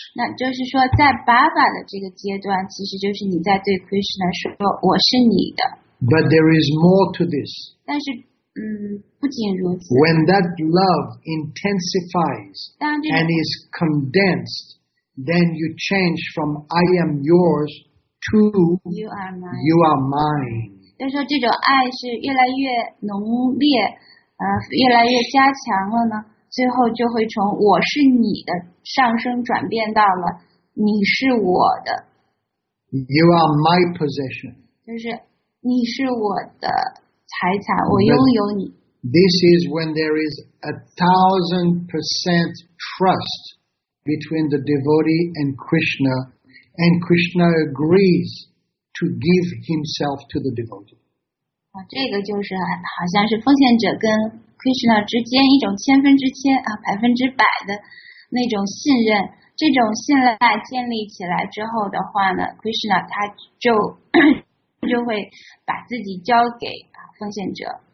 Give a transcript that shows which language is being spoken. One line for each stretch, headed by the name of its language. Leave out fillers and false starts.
Chinese: 那就是说，在 Bhava 的这个阶段，其实就是你在对 Krishna 说，我是你的。
English: But there is more to this.
Chinese: 但是，不仅如此。
English: When that love intensifies and is condensed, then you change from "I am yours" to "You are mine." You are mine.
Chinese: 就是说，这种爱是越来越浓烈，越来越加强了呢。最后就会从我是你的上升转变到了你是我的。
English: You are my possession.
Chinese: 就是。你是我的财产，我拥有你。
English: This is when there is 1000% trust between the devotee and Krishna, and Krishna agrees to give himself to the devotee.
Chinese: 这个就是好像是奉献者跟 Krishna 之间一种千分之千百分之百的那种信任。这种信赖建立起来之后的话呢 ，Krishna 他就。就会把自己交给奉献者。